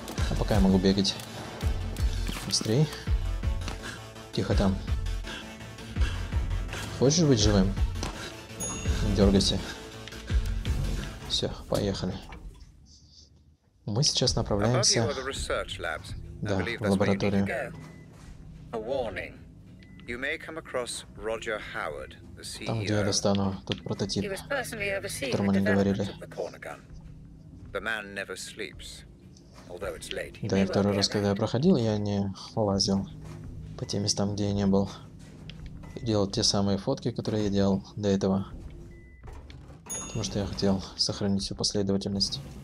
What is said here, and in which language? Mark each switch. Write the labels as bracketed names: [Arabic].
[Russian] А пока я могу бегать. Быстрей. Тихо там. Хочешь быть живым? Не дергайся. Все, поехали. Мы сейчас направляемся... Да, в лабораторию. [English] A warning. You may come across Roger Howard, the CEO. [Russian] Там, где я достану тот прототип, которому они говорили. [English] The man never sleeps, although it's late. [Russian] Да, и второй раз, когда я проходил, я не лазил по тем местам, где я не был. И делал те самые фотки, которые я делал до этого. Потому что я хотел сохранить всю последовательность.